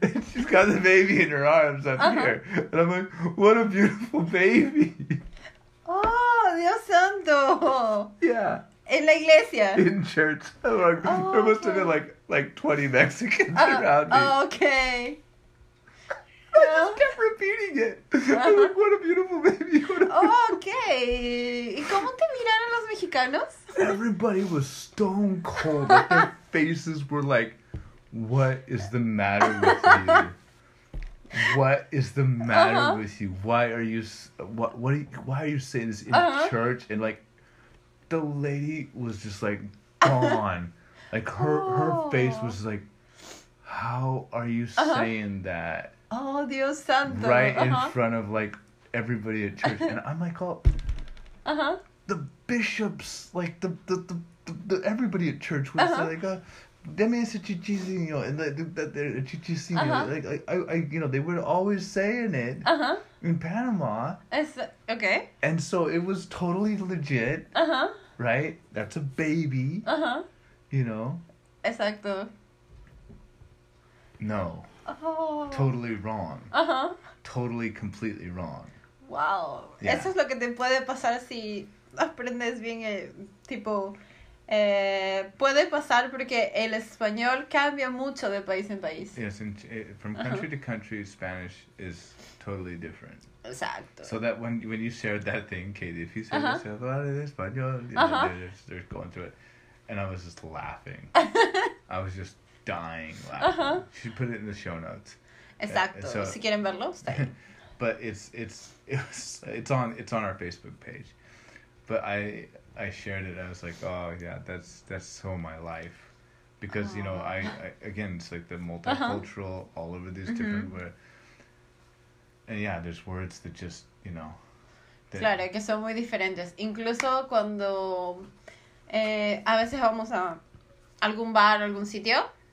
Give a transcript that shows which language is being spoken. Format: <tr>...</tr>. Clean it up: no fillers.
<en>She's got the baby in her arms up uh-huh. here. And I'm like, what a beautiful baby.</en> <es>Oh, Dios santo.</es> <en>Yeah.</en> <es>En la iglesia.</es> <en>In church. Oh, okay. There must have been like 20 Mexicans around me. Okay. I just kept repeating it. Uh-huh. I'm like, what a beautiful baby.</en> <es>Okay. ¿Y cómo te miraron los mexicanos?</es> <en>Everybody was stone cold. Like, their faces were like, what is the matter with you? What is the matter uh-huh. with you? Why are you, why are you saying this in uh-huh. church? And like, the lady was just like gone. Like her face was like, how are you uh-huh. saying that?</en> <es>Oh, Dios santo.</es> <en>Right uh-huh. in front of like everybody at church. And I'm like, oh. Uh-huh. The bishops, like the everybody at church was uh-huh. like,</en> <es>"Deme ese chichisinho,"</es> <en>and the chichisinho, uh-huh. like I you know, they were always saying it uh-huh. in Panama. Okay. And so it was totally legit. Uh huh. Right, that's a baby. Uh huh. You know.</en> <es>Exacto. No. Oh.</es> <en>Totally wrong. Uh huh. Totally, completely wrong. Wow. Yeah.</en> <es>Eso es lo que te puede pasar si. Aprendes bien, tipo, puede pasar porque el español cambia mucho de país en país.</es> <en>Yes, and from country uh-huh. to country, Spanish is totally different.</en> <es>Exacto.</es> <en>So that when you shared that thing, Katie, if you said, uh-huh. you said,</en> <es>hablar en español,</es> <en>you know, uh-huh. they're going through it. And I was just laughing. I was just dying laughing. Uh-huh. She put it in the show notes.</en> <es>Exacto. So, si quieren verlo, está ahí.</es> <en>But it's on our Facebook page. But I shared it. I was like, oh yeah, that's so my life, because you know I again it's like the multicultural uh-huh. all over these mm-hmm. different where, and yeah, there's words that just you know.</en> <es>That, claro, que son muy diferentes. Incluso cuando a veces vamos a algún bar, algún sitio,</es>